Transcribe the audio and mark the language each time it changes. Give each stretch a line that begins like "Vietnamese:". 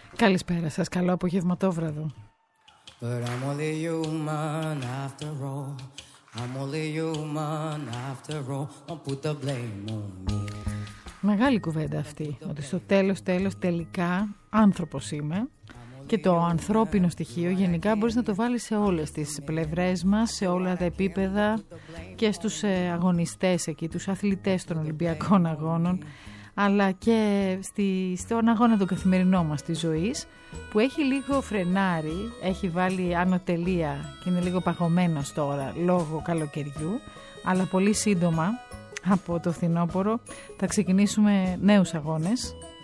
Greek: Καλησπέρα σας, καλό απογευματόβραδο.
English: But I'm only human after all. I'm only human after all. Don't put the blame on me.
Greek: Μεγάλη κουβέντα αυτή, ότι στο τέλος τελικά άνθρωπος είμαι. Και το ανθρώπινο στοιχείο γενικά μπορείς να το βάλεις σε όλες τις πλευρές μας, σε όλα τα επίπεδα και στους αγωνιστές εκεί, τους αθλητές των Ολυμπιακών Αγώνων, αλλά και στον αγώνα των καθημερινών μας της ζωής, που έχει λίγο φρενάρει, έχει βάλει ανωτελεία και είναι λίγο παγωμένος τώρα λόγω καλοκαιριού, αλλά πολύ σύντομα από το φθινόπωρο θα ξεκινήσουμε νέους αγώνες.